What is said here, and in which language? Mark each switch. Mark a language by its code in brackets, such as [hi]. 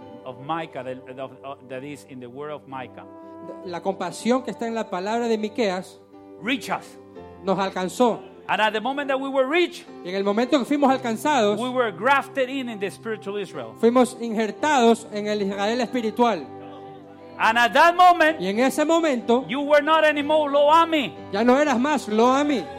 [en] Of Micah, that is in the word of Micah. [es] La compasión que está en la palabra de Miqueas. [en] Reach us. [es] Nos alcanzó. [en] And at the moment that we were rich, [es] y en el momento que fuimos alcanzados, [en] we were grafted in the spiritual Israel. [es] Fuimos injertados en el Israel espiritual. [en] And at that moment, [es] y en ese momento, [en] you were not anymore Lo-ami. [es] Ya no eras más Lo-ami.